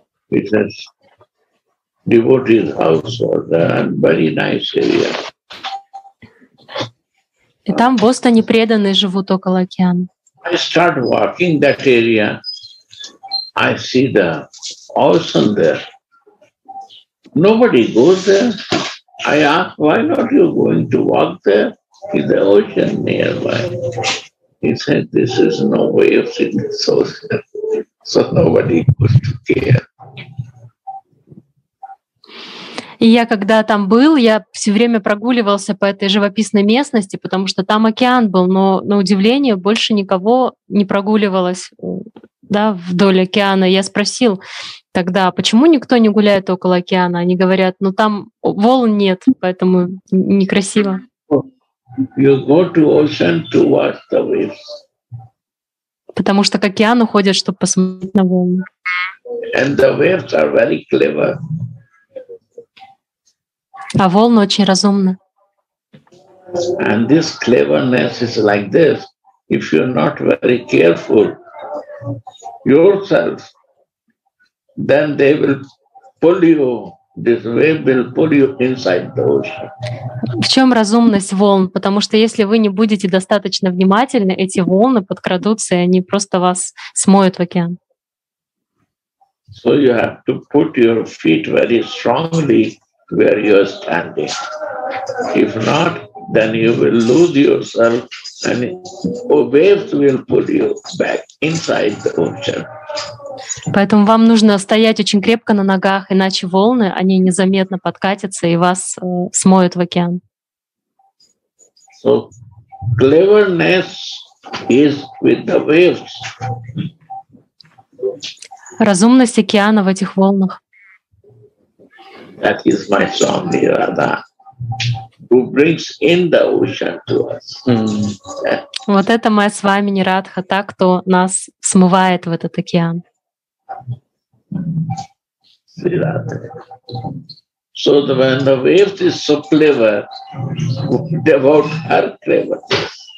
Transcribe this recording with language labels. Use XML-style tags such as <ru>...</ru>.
<en>It says devotee's house was there and very nice area.</en> <ru>И там в Бостоне преданные живут около океана.</ru> <en>I start walking that area. I see the ocean there. Nobody goes there. I ask, why not you going to walk there? Is the ocean nearby? He said, this is no way of seeing this ocean. So nobody goes to care.</en> <ru>И я, когда там был, я все время прогуливался по этой живописной местности, потому что там океан был, но, на удивление, больше никого не прогуливалось, да, вдоль океана. Я спросил тогда, почему никто не гуляет около океана? Они говорят, ну там волн нет, поэтому некрасиво.</ru> <en>You go to ocean to watch the waves.</en> <ru>Потому что к океану ходят, чтобы посмотреть на волны.</ru> <en>And the waves are very clever.</en> <ru>А волны очень разумны.</ru> <en>And this cleverness is like this. If you're not very careful yourself, then they will pull you, this wave will pull you inside the ocean.</en> <ru>В чем разумность волн? Потому что если вы не будете достаточно внимательны, эти волны подкрадутся, и они просто вас смоют в океан.</ru> <en>So you have to put your feet very strongly where you are standing. If not, then you will lose yourself and waves will pull you back inside the ocean.</en> <ru>Поэтому вам нужно стоять очень крепко на ногах, иначе волны, они незаметно подкатятся и вас смоют в океан.</ru> <en>So, cleverness is with the waves.</en> <ru>Разумность океана в этих волнах.</ru> <en>That is my Swami Radha, who brings in the ocean to us.</en> <ru>Вот это моя Свами Нирадха, та, кто нас смывает в этот океан.</ru> <en>Sri Radha. So the, when the waif is so clever, what about her cleverness?</en>